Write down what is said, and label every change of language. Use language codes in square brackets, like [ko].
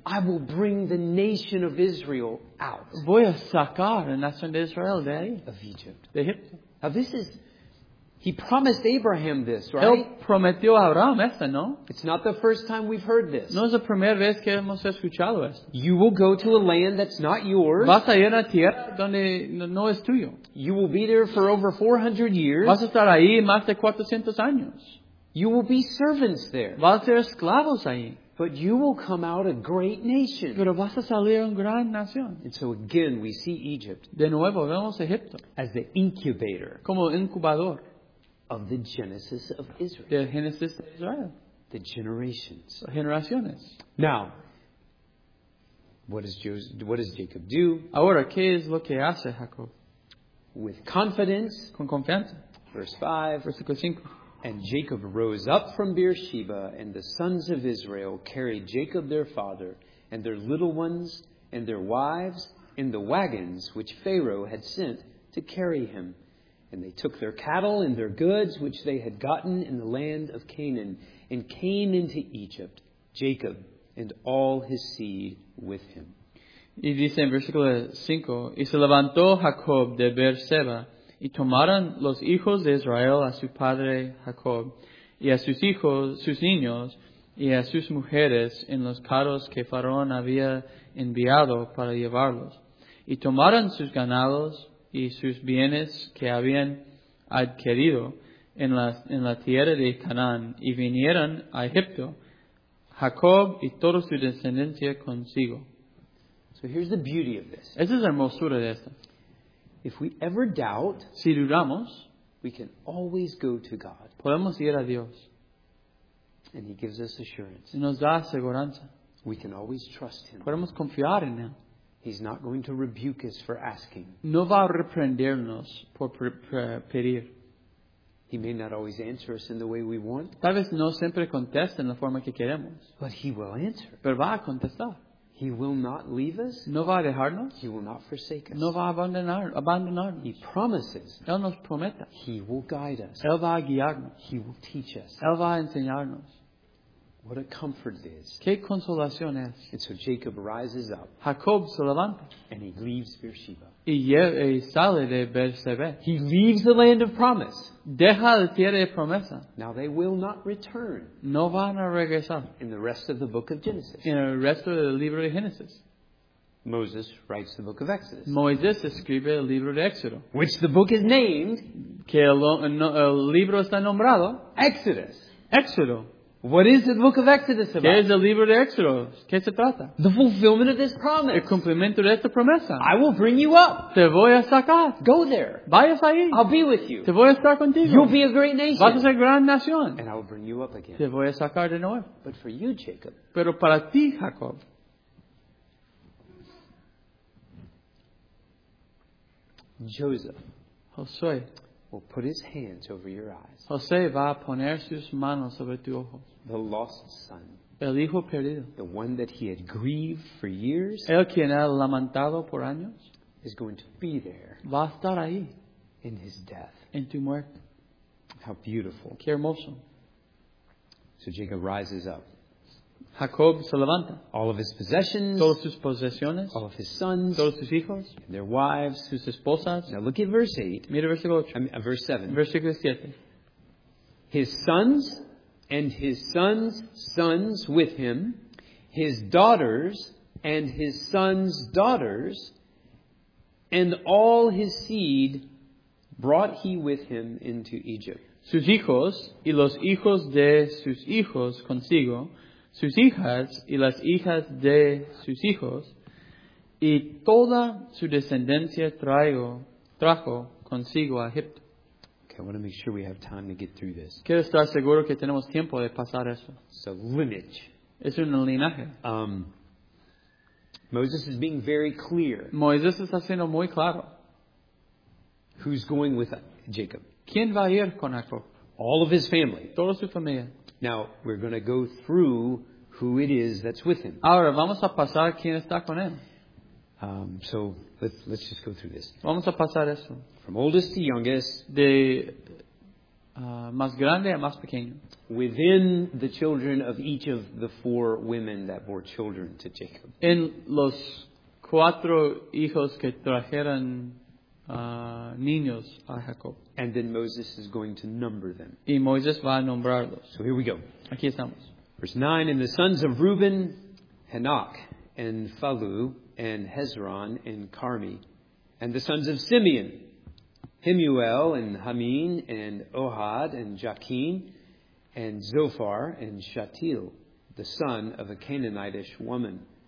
[en] "I will bring the nation of Israel out." [es] Voy a sacar la nación de Israel de ahí. [en] Of Egypt. [es] De Egipto. [en] Now this is, He promised Abraham this, right? [es] Él prometió a Abraham esto, ¿no? [en] It's not the first time we've heard this. [es] No es la primera vez que hemos escuchado esto. [en] You will go to a land that's not yours. [es] Vas a ir a una tierra donde no es tuyo. [en] You will be there for over 400 years. [es] Vas a estar ahí más de 400 años. [en] You will be servants there. [es] Vas a ser esclavos ahí. [en] But you will come out a great nation. [es] Pero vas a salir una gran nación. [en] And so again we see Egypt. [es] De nuevo vemos Egipto. [en] As the incubator. [es] Como incubador. [en] Of the Genesis of Israel. The Genesis of Israel. The generations. [es] Generaciones. [en] Now, what does Jacob do? [es] Ahora, ¿qué es lo que hace Jacob? [en] With confidence. [es] Con confianza. [en] Verse 5. [es] Versículo 5. [en] And Jacob rose up from Beersheba, and the sons of Israel carried Jacob their father, and their little ones, and their wives, in the wagons which Pharaoh had sent to carry him. And they took their cattle and their goods, which they had gotten in the land of Canaan, and came into Egypt, Jacob and all his seed with him. [es] Y dice en versículo 5, y se levantó Jacob de Beersheba, y tomaron los hijos de Israel a su padre Jacob, y a sus hijos, sus niños, y a sus mujeres, en los carros que Faraón había enviado para llevarlos. Y tomaron sus ganados, y sus bienes que habían adquirido en la tierra de Canaán, y vinieron a Egipto, Jacob y toda su descendencia consigo. [en] So here's the beauty of this. [es] Esa es la hermosura de esto. [en] If we ever doubt, [es] si dudamos, [en] we can always go to God. [es] Podemos ir a Dios. [en] And he gives us assurance. [es] Y nos da aseguranza. [en] We can always trust him. [es] Podemos confiar en él. [en] He's not going to rebuke us for asking. [es] No va a reprendernos por pedir. [en] He may not always answer us in the way we want. [es] Tal vez no siempre conteste en la forma que queremos. [en] But he will answer. [es] Pero va a contestar. [en] He will not leave us. [es] No va a dejarnos. [en] He will not forsake us. [es] No va a abandonarnos. [en] He promises. [es] Él nos promete. [en] He will guide us. [es] Él va a guiarnos. [en] He will teach us. [es] Él va a enseñarnos. [en] What a comfort it is. [es] Qué consolación es. [en] And so Jacob rises up. [es] Jacob se levanta. [en] And he leaves Beersheba. [es] Y sale de Beersheba. [en] He leaves the land of promise. [es] Deja la tierra de promesa. [en] Now they will not return. [es] No van a regresar. [en] In the rest of the book of Genesis. [es] En el resto del libro de Génesis. [en] Moses writes the book of Exodus. [es] Moisés escribe el libro de Éxodo. [en] Which the book is named. [es] Que el libro está nombrado. [en] Exodus. [es] Éxodo. [en] What is the book of Exodus about? [es] ¿Qué es el libro de Éxodo? ¿Qué se trata? [en] The fulfillment of this promise. [es] El cumplimiento de esta promesa. [en] I will bring you up. [es] Te voy a sacar. [en] Go there. [es] Vayas ahí. [en] I'll be with you. [es] Te voy a estar contigo. [en] You'll be a great nation. [es] Vas a ser gran nación. [en] And I will bring you up again. [es] Te voy a sacar de nuevo. [en] But for you, Jacob. [es] Pero para ti, Jacob. [en] Joseph. [es] José. [en] Will put his hands over your eyes. [es] José va a poner sus manos sobre tu ojo. [en] The lost son. [es] El hijo perdido. [en] The one that he had grieved for years. [es] El quien ha lamentado por años. [en] Is going to be there. [es] Va a estar ahí. [en] In his death. [es] En tu muerte. [en] How beautiful. [es] Qué hermoso. [en] So Jacob rises up. [es] Jacob se levanta. [en] All of his possessions. [es] Todas sus posesiones. [en] All of his sons. [es] Todos sus hijos. [en] And their wives. [es] Sus esposas. [en] Now look at verse 8. [es] Mira versículo 8. [en] Verse 7. [es] Versículo 7. [en] His sons and his sons' sons with him, his daughters and his sons' daughters, and all his seed brought he with him into Egypt. [es] Sus hijos y los hijos de sus hijos consigo, sus hijas y las hijas de sus hijos, y toda su descendencia trajo consigo a Egipto. [en] I want to make sure we have time to get through this. [es] Quiero estar seguro que tenemos tiempo de pasar eso. [en] So lineage. [es] Es un linaje. [en] Moses is being very clear. [es] Moisés está siendo muy claro. [en] Who's going with Jacob? [es] ¿Quién va a ir con Jacob? [en] All of his family. [es] Toda su familia. [en] Now we're going to go through who it is that's with him. [es] Ahora vamos a pasar quién está con él. [en] So let's just go through this. [es] Vamos a pasar eso. [en] From oldest to youngest. [es] De más grande a más pequeño. [en] Within the children of each of the four women that bore children to Jacob. [es] En los cuatro hijos que trajeron niños a Jacob. [en] And then Moses is going to number them. [es] Y Moisés va a nombrarlos. [en] So here we go. [es] Aquí estamos. [en] Verse 9, and the sons of Reuben, Hanok, and Phallu, and Hezron, and Carmi, and the sons of Simeon, Himuel, and Hamin, and Ohad, and Jachin, and Zophar, and Shatil, the son of a Canaanitish woman.